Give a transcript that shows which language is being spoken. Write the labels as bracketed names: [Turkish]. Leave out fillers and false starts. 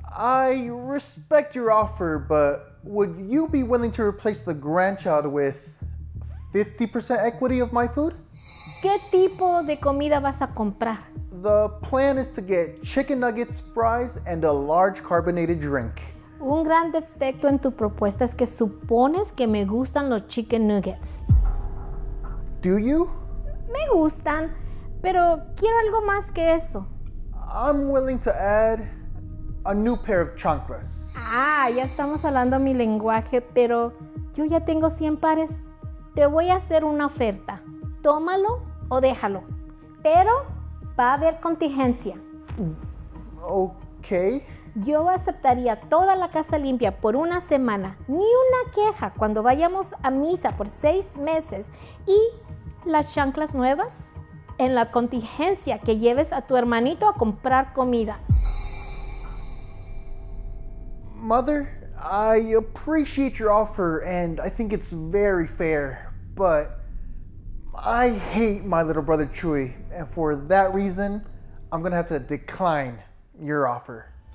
[English] I respect your offer, but would you be willing to replace the grandchild with 50% equity of my food? [Spanish] ¿Qué tipo de comida vas a comprar? [English] The plan is to get chicken nuggets, fries, and a large carbonated drink. [Spanish] Un gran defecto en tu propuesta es que supones que me gustan los [English] chicken nuggets. Do you? [Spanish] Me gustan, pero quiero algo más que eso. [English] I'm willing to add a new pair of chanclas. [Spanish] Ah, ya estamos hablando mi lenguaje, pero yo ya tengo 100 pares. Te voy a hacer una oferta. Tómalo o déjalo. Pero va a haber contingencia. [English] Okay. [Spanish] Yo aceptaría toda la casa limpia por una semana. Ni una queja cuando vayamos a misa por 6 meses. Y las chanclas nuevas en la contingencia que lleves a tu hermanito a comprar comida. [English] Mother, I appreciate your offer and I think it's very fair, but I hate my little brother Chuy, and for that reason, I'm gonna have to decline your offer.